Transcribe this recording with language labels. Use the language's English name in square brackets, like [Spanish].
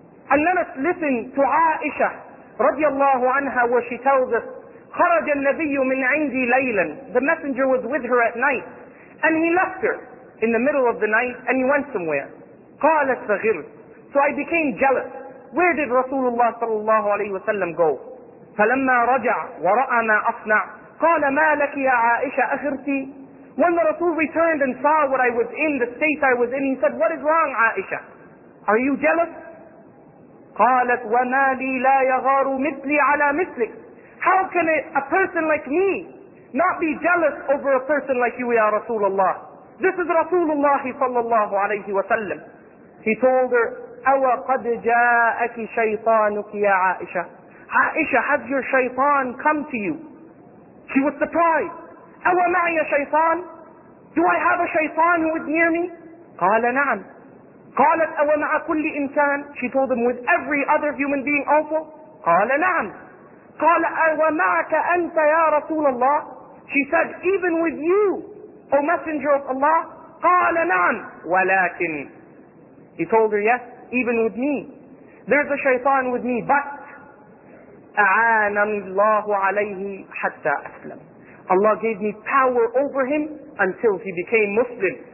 [English] And let us listen to Aisha radiallahu anha, where she tells us, [Arabic] خرج النبي من عندي ليلا. [English] The messenger was with her at night, and he left her in the middle of the night, and he went somewhere. [Arabic] قالت فغر. [English] So I became jealous. Where did Rasulullah sallallahu alayhi wasallam go? [Arabic] فلما رجع ورأى ما أصنع قال ما لك يا عائشة أخرتي. [English] When the Rasul returned and saw what I was in, the state I was in, he said, what is wrong, Aisha? Are you jealous? [Arabic] قالت وما لي لا يغار مثلي على مثلك. [English] How can a person like me not be jealous over a person like you, ya Rasulullah? This is Rasulullah sallallahu alayhi wa sallam. He told her, [Arabic] أَوَ قَدْ جَاءَكِ شَيْطَانُكِ يَا عَائِشَ. [English] Aisha, has your shaytan come to you? She was surprised. [Arabic] أَوَ مَعِيَ شَيْطَان. [English] Do I have a shaytan who is near me? [Arabic] قَالَ نَعَم. قَالَتْ أَوَ مَعَ كُلِّ إِنسَان. [English] She told him, with every other human being also? [Arabic] قَالَ نَعَم. قال ومعك أنت يا رسول الله. [English] She said, even with you, O Messenger of Allah. [Arabic] قال نعم ولكن. [English] He told her, yes, even with me. There's a shaytan with me, but [Arabic] أعانني الله عليه حتى أسلم. [English] Allah gave me power over him until he became Muslim.